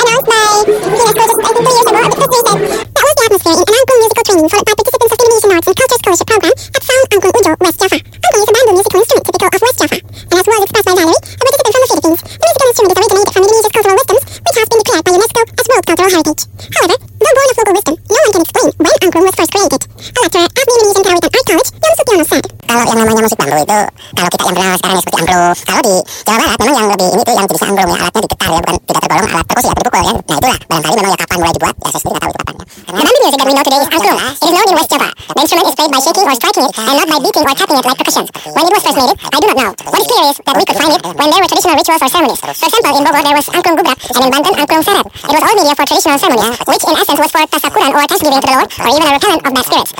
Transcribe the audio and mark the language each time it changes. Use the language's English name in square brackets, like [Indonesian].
[English] That was the atmosphere in an Angkor musical training followed by participants of the Indonesian Arts and Culture Scholarship Program at Sound Angkor Ujo, West Java. Angkor is a bamboo musical instrument typical of West Java. And as was expressed by Valerie, a participant from the Philippines, the musical instrument is originated from Indonesia's cultural wisdoms, which has been declared by UNESCO as World Cultural Heritage. However, though born of local wisdom, no one can explain when Angkor was first created. A lecturer at the Indonesian Karawitan Art College, Yom Supiono, said, [Indonesian] "Kalau yang namanya musik bambu itu, kalau kita yang benar sekarang ya seperti angklung. Kalau di Jawa Barat memang yang lebih ini tuh yang jenis angklung ya, alatnya ditekar ya, bukan tidak tergolong alat perkusi atau dipukul ya. Nah itulah, barangkali memang ya kapan mulai dibuat, ya saya sendiri gak tahu itu kapannya. [English] The bamboo music that we know today is angklung. It is known in West Java. The instrument is played by shaking or striking it, and not by beating or tapping it like percussion. When it was first made, I do not know. What is clear is that we could find it when there were traditional rituals or ceremonies. For example, in Bogor there was angklung gubrak, and in Banten angklung seret. It was all media for traditional ceremonies, which in essence was for tasakuran or thanksgiving to the Lord, or even a repellent of bad spirits.